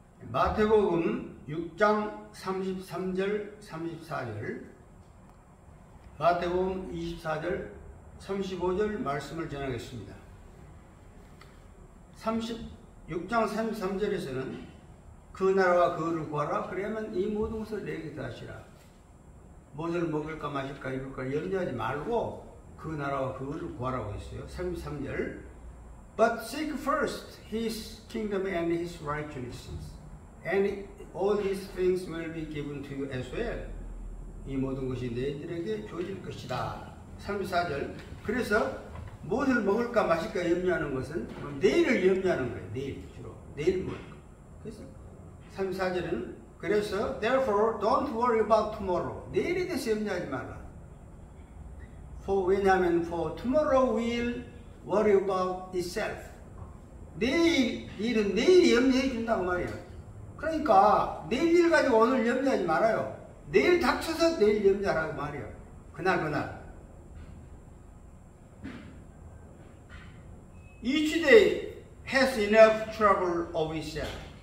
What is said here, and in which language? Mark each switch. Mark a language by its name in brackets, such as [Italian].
[Korean] 마태복음 6장 33절 34절 마태복음 24절 35절 말씀을 전하겠습니다. 36장 33절에서는 그 나라와 그를 구하라 그러면 이 모든 것을 내게 더하시라. 무엇을 먹을까 마실까 입을까 염려하지 말고 그 나라와 그를 구하라고 했어요. [English] 33절 But seek first his kingdom and his righteousness and all these things will be given to you as well. [Korean] 이 모든 것이 너희들에게 주어질 것이다. 34절 그래서 무엇을 먹을까 마실까 염려하는 것은 내일을 염려하는 거예요. 내일 주로. 내일 먹을까. 그래서 34절은 그래서 [English] therefore don't worry about tomorrow. [Korean] 내일에 대해서 염려하지 말라. [English] For [Korean] 왜냐하면 [English] for tomorrow will worry about itself. [Korean] 내일 일은 내일이 염려해 준다고 말이에요. 그러니까 내일 일 가지고 오늘 염려하지 말아요. 내일 닥쳐서 내일 염려하라고 말이에요. 그날 그날. [English] Each day has enough trouble of itself.